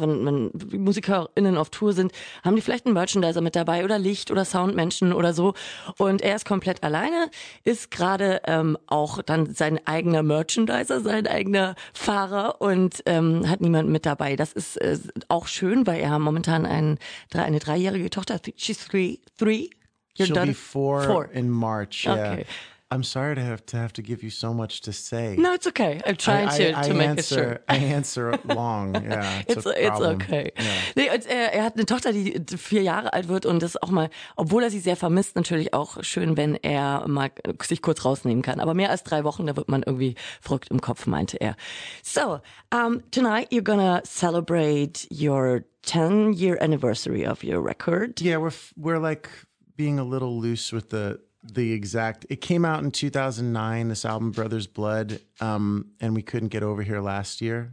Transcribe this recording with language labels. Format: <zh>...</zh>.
<de>Wenn MusikerInnen auf Tour sind, haben die vielleicht einen Merchandiser mit dabei oder Licht- oder Soundmenschen oder so. Und er ist komplett alleine, ist gerade auch dann sein eigener Merchandiser, sein eigener Fahrer und hat niemanden mit dabei. Das ist auch schön, weil er momentan eine dreijährige Tochter hat.</de> <en>She's three. She'll be 4 in March. Okay. Yeah. I'm sorry to have to give you so much to say. No, it's okay. I'm trying to make answer, it sure. I answer long. Yeah, it's okay. Yeah.</en> <de>Nee, er hat eine Tochter, die 4 Jahre alt wird und das auch mal, obwohl er sie sehr vermisst, natürlich auch schön, wenn er mal sich kurz rausnehmen kann. Aber mehr als 3 Wochen, da wird man irgendwie verrückt im Kopf, meinte er.</de> <en>So, tonight you're gonna celebrate your 10-year anniversary of your record. Yeah, we're like being a little loose with the exact, it came out in 2009, this album Brothers Blood, and we couldn't get over here last year,</en>